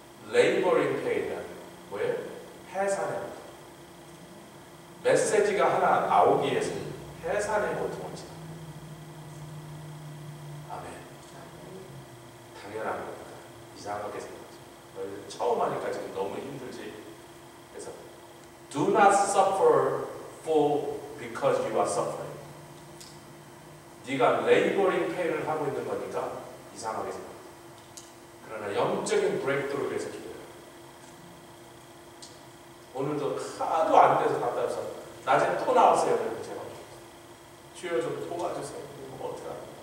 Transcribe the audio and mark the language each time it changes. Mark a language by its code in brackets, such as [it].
[en] Laboring pain. [ko] 뭐예요? 해산의 고통. 메시지가 하나 나오기 위해서 해산의 고통을 치다. 아멘. 당연한 겁니다. 이상하게 생각하지. 처음 하니까 지금 너무 힘들지. 그래서 [en] Do not suffer for because you are suffering. [ko] 네가 [en] laboring pain [ko] 을 하고 있는 거니까 이상하게 생각하지. 그러나 영적인 브레이크도를 위해서 기도해. 오늘도 하도 안 돼서 갔다 와서 낮에 토 나왔어요. 그래서 제가 주여 좀 도와주세요. 뭐 어떡하나.